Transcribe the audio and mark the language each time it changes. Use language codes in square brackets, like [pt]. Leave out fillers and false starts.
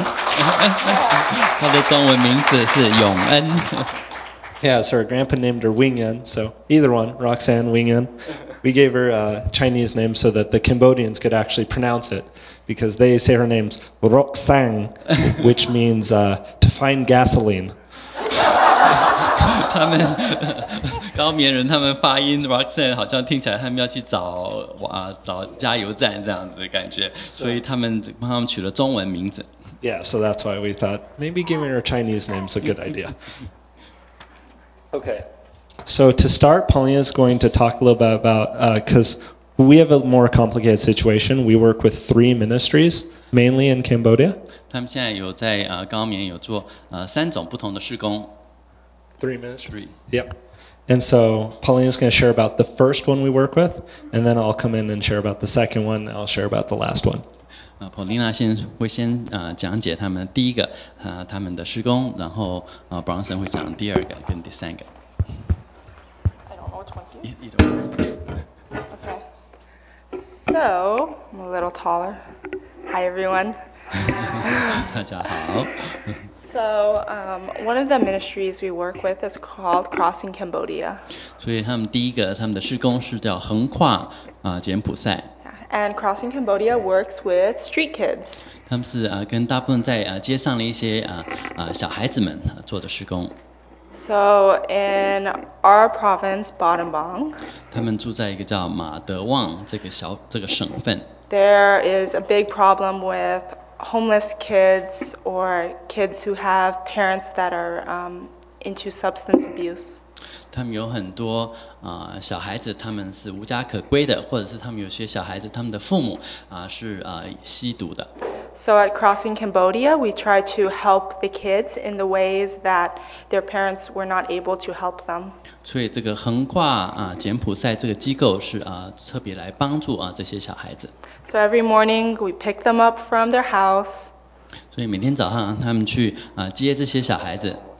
[zh] 她的中文名字是永恩。 [en] Yeah, so her grandpa named her Wing Yun. So, either one, Roxanne, Wing Yun. We gave her a Chinese name so that the Cambodians could actually pronounce it. Because they say her name's Roxanne, which means to find gasoline. [zh] 他们高棉人，他们发音 Roxanne 好像听起来他们要去找加油站这样子的感觉，所以他们帮他们取了中文名字。 [en] Yeah, so that's why we thought maybe giving her a Chinese name is a good idea. Okay. So to start, Paulina is going to talk a little bit about We have a more complicated situation. We work with three ministries, mainly in Cambodia. [zh] 他们现在有在高棉有做三种不同的事工。 [en] Three ministries. Three. Yep. And so Pauline is going to share about the first one we work with, and then I'll come in and share about the second one, and I'll share about the last one. [zh] Paulina 先会先讲解他们第一个他们的事工，然后Bronson 会讲第二个跟第三个。 [en] So, I'm a little taller. Hi, everyone. [zh] 大家好。 [en] So, one of the ministries we work with is called Crossing Cambodia. [zh] 所以他们第一个他们的事工是叫横跨柬埔寨。 [en] And Crossing Cambodia works with street kids. [zh] 他们是跟大部分在街上的一些小孩子们做的事工。 [en] So in our province, Battambang, [zh] 他们住在一个叫马德旺这个省份。 [en] There is a big problem with homeless kids or kids who have parents that are into substance abuse. [zh] 他们有很多小孩子，他们是无家可归的，或者是他们有些小孩子，他们的父母是吸毒的。 [en] So at Crossing Cambodia, we try to help the kids in the ways that their parents were not able to help them. [zh] 所以这个横跨柬埔寨这个机构是特别来帮助这些小孩子。 [en] So every morning we pick them up from their house. [zh] 所以每天早上他们去接这些小孩子。